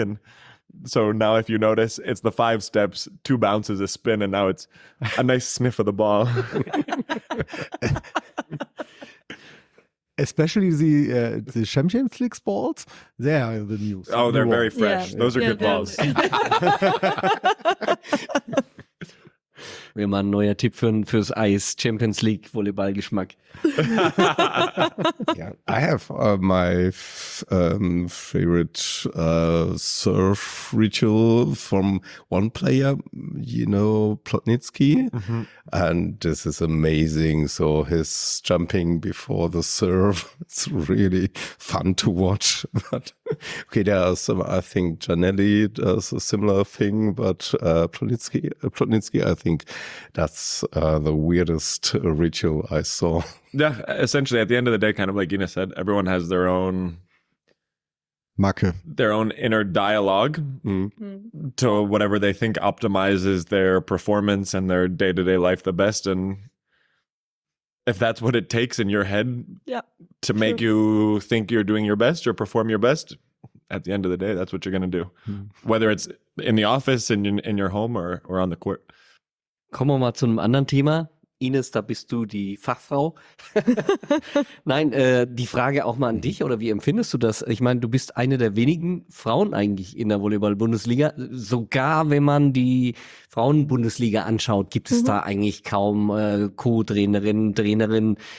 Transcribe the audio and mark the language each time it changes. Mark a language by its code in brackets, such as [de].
[en] And so now if you notice, it's the 5 steps, 2 bounces, a spin, and now it's a nice sniff of the ball. Especially the Champions League balls, they are the news. Oh, they're new very fresh. Yeah. Those are good balls. [de] Wir machen ein neuer Tipp fürs Eis, Champions League Volleyballgeschmack. [en] Yeah, I have my favorite surf ritual from one player, you know, Plotnitsky. Mm-hmm. And this is amazing. So his jumping before the surf, it's really fun to watch. But okay, there are some, I think Giannelli does a similar thing, but Plotnitsky, I think that's the weirdest ritual I saw. Yeah, essentially, at the end of the day, kind of like Gina said, everyone has their own [de] Macke. [en] Their own inner dialogue to whatever they think optimizes their performance and their day-to-day life the best. And if that's what it takes in your head to make you think you're doing your best or perform your best, at the end of the day, that's what you're going to do. Mm. Whether it's in the office, in your home, or on the court. [de] Kommen wir mal zu einem anderen Thema. Ines, da bist du die Fachfrau. Nein, die Frage auch mal an dich, oder wie empfindest du das? Ich meine, du bist eine der wenigen Frauen eigentlich in der Volleyball-Bundesliga. Sogar wenn man die Frauen-Bundesliga anschaut, gibt es da eigentlich kaum Co-Trainerinnen.